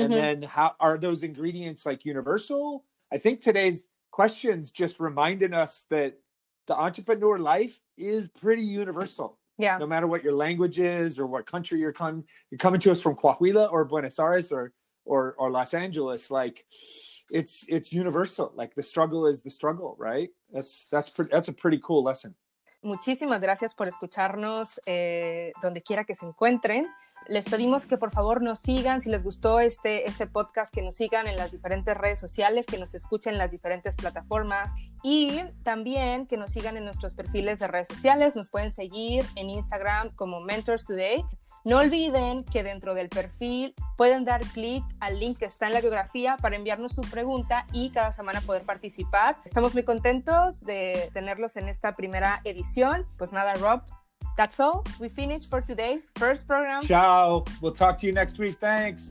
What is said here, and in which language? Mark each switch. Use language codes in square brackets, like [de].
[en] And then how are those ingredients like universal? I think today's questions just reminded us that the entrepreneur life is pretty universal. Yeah. No matter what your language is or what country you're coming to us from Coahuila or Buenos Aires or Los Angeles, like, it's universal. Like the struggle is the struggle, right? That's a pretty cool lesson. [es] Muchísimas gracias por escucharnos donde quiera que se encuentren. Les pedimos que por favor nos sigan. Si les gustó este podcast, que nos sigan en las diferentes redes sociales, que nos escuchen en las diferentes plataformas y también que nos sigan en nuestros perfiles de redes sociales. Nos pueden seguir en Instagram como Mentors Today. No olviden que dentro del perfil pueden dar clic al link que está en la biografía para enviarnos su pregunta y cada semana poder participar. Estamos muy contentos de tenerlos en esta primera edición. Pues nada, [en] Rob, that's all. We finished for today. First program. Ciao. We'll talk to you next week. Thanks.